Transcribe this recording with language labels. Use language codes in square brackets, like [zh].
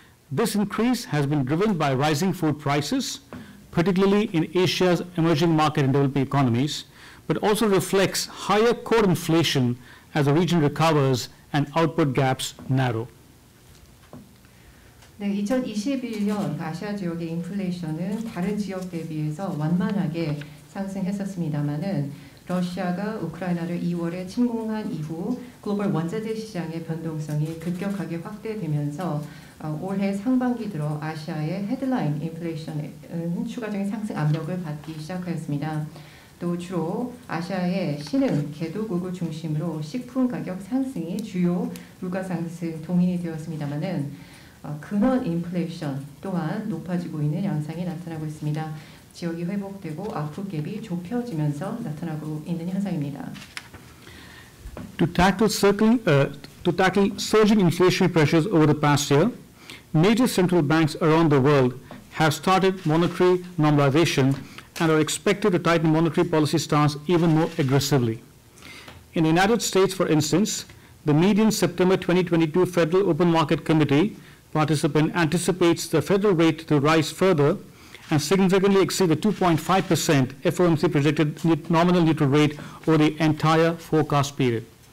[en] This increase has been driven by rising food prices, particularly in Asia's emerging market and developing economies, but also reflects higher core inflation as the region recovers and output gaps narrow. [ko] 네, 2021년 아시아 지역의 인플레이션은 다른 지역 대비해서 완만하게 상승했었습니다만은 러시아가 우크라이나를 2월에 침공한 이후 글로벌 원자재 시장의 변동성이 급격하게 확대되면서 올해 상반기 들어 아시아의 헤드라인 인플레이션은 추가적인 상승 압력을 받기 시작하였습니다. 또 주로 아시아의 신흥 개도국을 중심으로 식품 가격 상승이 주요 물가 상승 동인이 되었습니다만은 근원 인플레이션 또한 높아지고 있는 양상이 나타나고 있습니다. 지역이 회복되고 아웃풋갭이 좁혀지면서 나타나고 있는 현상입니다. [en] To tackle surging inflation pressures over the past year, major central banks around the world have started monetary normalization and are expected to tighten monetary policy stance even more aggressively. In the United States, for instance, the median September 2022 Federal Open Market Committee participant anticipates the federal rate to rise further and significantly exceed the 2.5% FOMC projected nominal neutral rate over the entire forecast period.